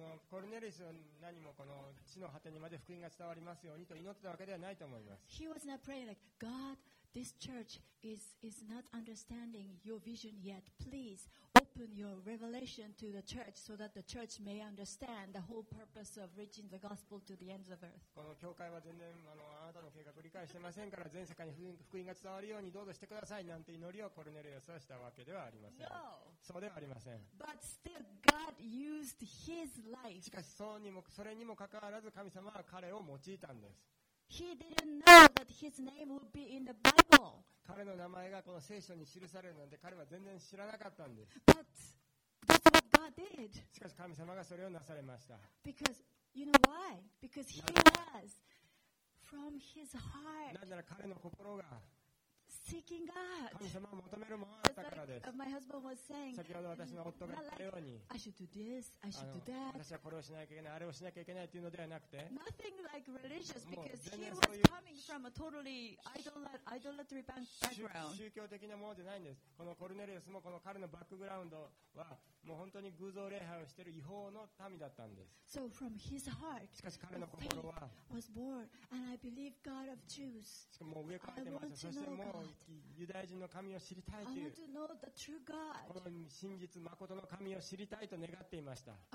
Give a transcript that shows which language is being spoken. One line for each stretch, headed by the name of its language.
Japanese: コルネリウスは何もこの地の果てにまで福音が伝わりますようにと祈ってたわけではないと思います。
English: He was not praying like, God, this church is not understanding your vision yet. Please open your revelation to the church so that the church may understand the whole purpose of reaching the gospel to the ends of earth.
Japanese: この教会は全然あなたの計画を理解していませんから全世界に福音が伝わるようにどうぞしてくださいなんて祈りをコルネリウスはしたわけではありません。
English: No.
Japanese: そうではありません。
English: But still, God used his.
Japanese: しかしそれにもかかわらず神様は彼を用いたんです。
English: He didn't know that his name would be in the Bible.
Japanese: 彼の名前がこの聖書に記されるなんて彼は全然知らなかったんです。
English: But that's what God did.
Japanese: しかし神様がそれをなされました。
English: Because, you know why? Because he was from his heart.
Japanese: なんなら彼の心が
English: Seeking God.
Japanese: 神様を求めるものだったからです。
English: My husband was saying,
Japanese: 先ほど私の夫が言ったように、
English: like, I should do this, I should do that.
Japanese: 私はこれをしなきゃいけない、あれをしなきゃいけないというのではなくて、
English: Nothing like religious because he was coming from a totally idolatry background.
Japanese: 宗教的なものじゃないんです。このコルネリウスもこの彼のバックグラウンドはもう本当に偶像礼拝をしている異邦の民だったんです。
English: So from his heart,
Japanese: しかし彼の心は
English: was born, and I believe God of Jews.
Japanese: しかも植え替えてました。そしてもうユダヤ人の神を知りたいというこの真実真の神を知りたいと願っていました。